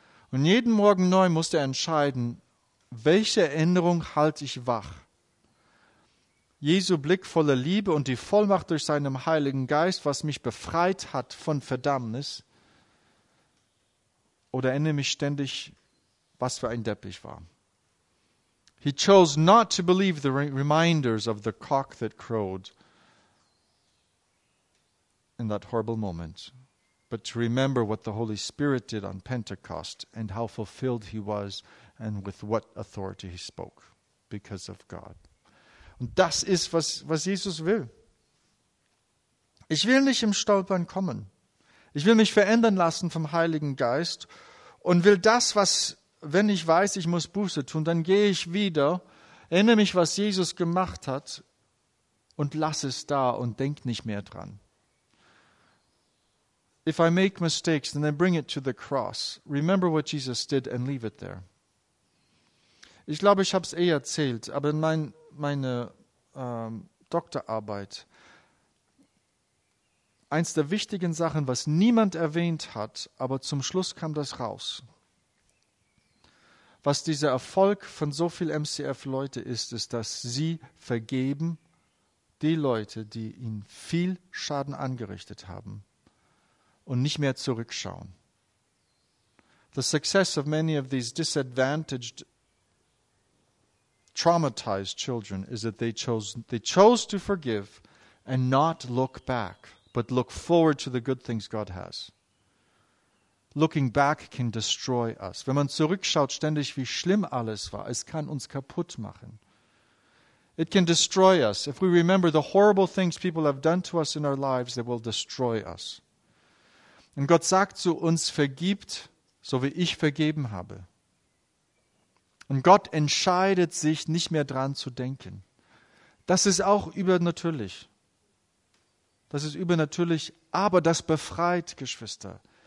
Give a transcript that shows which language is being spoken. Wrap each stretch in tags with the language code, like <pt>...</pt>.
<de>Und jeden Morgen neu musste er entscheiden, welche Erinnerung halte ich wach? Jesu Blick voller Liebe und die Vollmacht durch seinen Heiligen Geist, was mich befreit hat von Verdammnis? Oder erinnere mich ständig, was für ein Depp ich war?</de> <en>He chose not to believe the reminders of the cock that crowed in that horrible moment, but to remember what the Holy Spirit did on Pentecost and how fulfilled he was and with what authority he spoke because of God.</en> <de>Und das ist, was Jesus will. Ich will nicht im Stolpern kommen. Ich will mich verändern lassen vom Heiligen Geist und will das, was, wenn ich weiß, ich muss Buße tun, dann gehe ich wieder, erinnere mich, was Jesus gemacht hat und lasse es da und denk nicht mehr dran.</de> <en>If I make mistakes, then I bring it to the cross. Remember what Jesus did and leave it there.</en> <de>Ich glaube, ich habe es eh erzählt, aber in meine Doktorarbeit, eins der wichtigen Sachen, was niemand erwähnt hat, aber zum Schluss kam das raus, was dieser Erfolg von so vielen MCF-Leute ist, ist, dass sie vergeben die Leute, die ihnen viel Schaden angerichtet haben, und nicht mehr zurückschauen.</de> <en>The success of many of these disadvantaged, traumatized children is that they chose to forgive and not look back, but look forward to the good things God has. Looking back can destroy us.</en> <de>Wenn man zurückschaut ständig, wie schlimm alles war, es kann uns kaputt machen.</de> <en>It can destroy us. If we remember the horrible things people have done to us in our lives, they will destroy us.</en> <de>Und Gott sagt zu uns, vergibt, so wie ich vergeben habe. Und Gott entscheidet sich, nicht mehr dran zu denken. Das ist auch übernatürlich. Das ist übernatürlich, aber das befreit, Geschwister.</de>